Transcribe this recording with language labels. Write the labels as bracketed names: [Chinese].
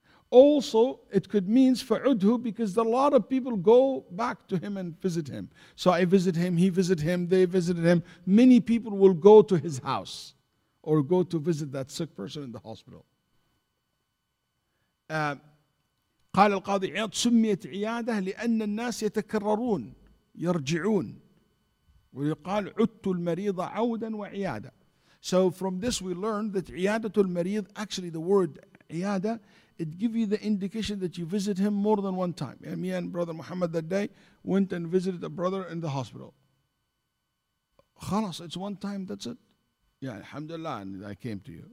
[English] Also, it could mean fa'udhu because a lot of people go back to him and visit him. So I visit him, he visit him, they visited him. Many people will go to his house or go to visit that sick person in the hospital. [Arabic] قال القاضي عياد سميت عيادة لأن الناس يتكررون يرجعون ويقال عدت المريض عودا وعيادة. [English] So from this we learned that [Arabic] عيادة المريض, [English] actually the word عيادة, it gives you the indication that you visit him more than one time. And me and brother Muhammad that day went and visited a brother in the hospital. خلاص, it's one time, that's it. Yeah, alhamdulillah, and I came to you.